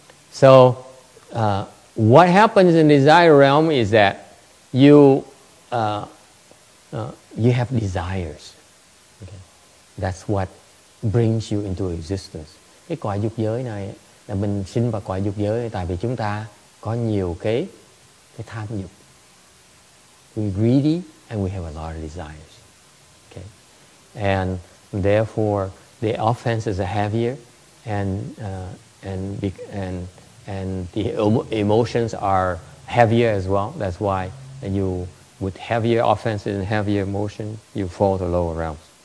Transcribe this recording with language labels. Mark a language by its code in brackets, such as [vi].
[en] So, what happens in desire realm is that you have desires. Okay? That's what brings you into existence. [vi] Cái cõi dục giới này là mình sinh vào cõi dục giới tại vì chúng ta có nhiều cái tham dục. [en] We're greedy and we have a lot of desires. Okay? And therefore the offenses are heavier and the emotions are heavier as well. That's why you with heavier offenses and heavier emotion you fall to lower realms.